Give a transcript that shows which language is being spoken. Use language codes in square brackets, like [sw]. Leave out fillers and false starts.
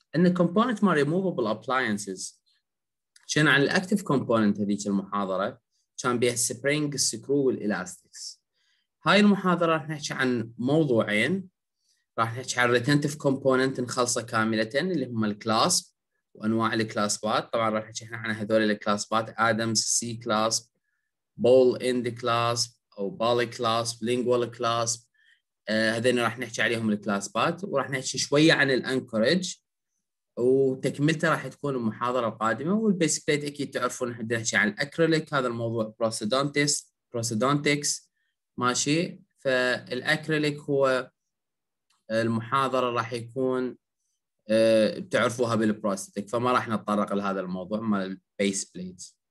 [en] And the component of removable appliances. [ar] شن عن الactive component هذيك المحاضرة؟ كان بيها spring, screw, والelastics. هاي المحاضرة راح نحكي عن موضوعين. راح نحكي عن retentive component نخلصه كاملة، اللي هم الclasp وأنواع الclaspات. طبعا راح نحكي احنا عن هذول الclaspات: Adams, C clasp, ball end clasp أو ball clasp, lingual clasp. هذين راح نحكي عليهم الكلاسبات، وراح نحكي شوية عن الأنكورج، وتكملته راح تكون المحاضرة القادمة. والبيسك بليت أكيد تعرفون، راح نحكي عن الأكريليك، هذا الموضوع بروسيدونتكس ماشي. فالأكريليك هو المحاضرة راح يكون بتعرفوها بالبروستيك، فما راح نتطرق لهذا الموضوع مال البيس بليت.